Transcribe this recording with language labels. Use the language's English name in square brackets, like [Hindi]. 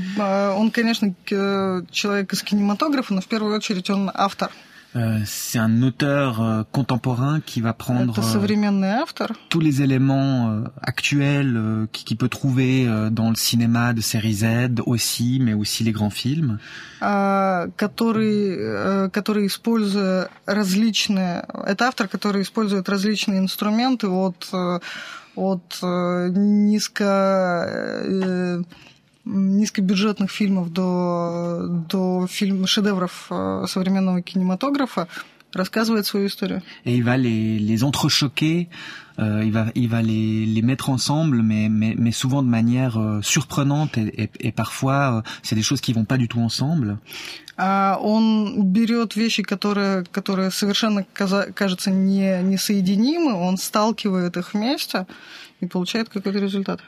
[Russian] Он, конечно, человек из кинематографа, но в первую очередь он автор. [French] C'est un auteur contemporain qui va prendre tous les éléments actuels qu'il peut trouver dans le cinéma de série Z aussi, mais aussi les grands films. [Russian] Который использует различные, это автор, который использует различные инструменты от низкобюджетных фильмов до фильмов шедевров современного кинематографа, рассказывает свою историю. [French] Et il va les entrechoquer, il va les mettre ensemble, mais souvent de manière surprenante, et parfois c'est des choses qui vont pas du tout ensemble. [Russian] Он берет вещи, которые совершенно кажутся несоединимы, он сталкивает их вместе и получает какой-то результат.